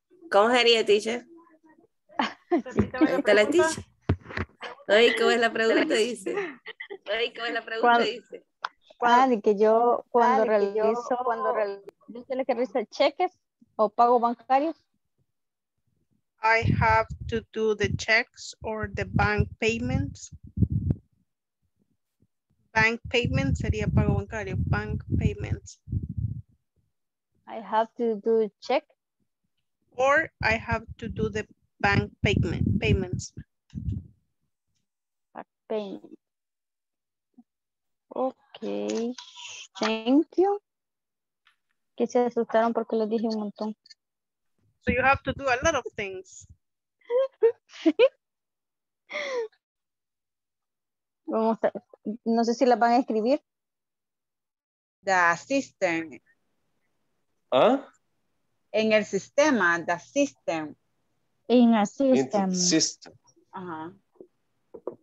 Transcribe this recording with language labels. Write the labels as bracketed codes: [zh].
[es] ¿Cómo sería, teacher? ¿Está la teacher? Ay, ¿cómo es la pregunta? Dice. Ay, ¿cómo es la pregunta? Cuando, dice. ¿Cuál? Y que yo cuando realizo, cuando realizo el ejercicio de cheques o pago bancario. [en] I have to do the checks or the bank payments. Bank payment [es] sería pago bancario. [en] Bank payments. I have to do check. Or I have to do the bank payments. Bank payments. Okay, thank you. [es] Que se asustaron porque lo dije un montón. [en] So you have to do a lot of things. [es] Vamos a, no sé si las van a escribir. [en] The system. ¿Ah? [es] En el sistema, [en] the system. In a system. In system. Uh-huh.